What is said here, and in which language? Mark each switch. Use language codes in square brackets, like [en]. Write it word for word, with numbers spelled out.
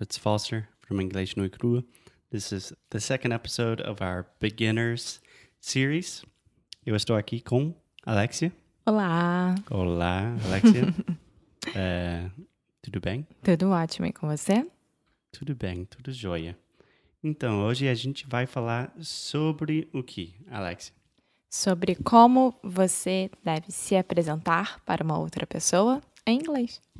[en] It's Foster from Inglês no Cru. This is the second episode of our Beginners series. [pt] Eu estou aqui com Alexia. Olá. Olá, Alexia. É, tudo bem? Tudo ótimo, e com você? Tudo bem, tudo jóia. Então, hoje a gente vai falar sobre o que, Alexia? Sobre como você deve se apresentar para uma outra pessoa em inglês.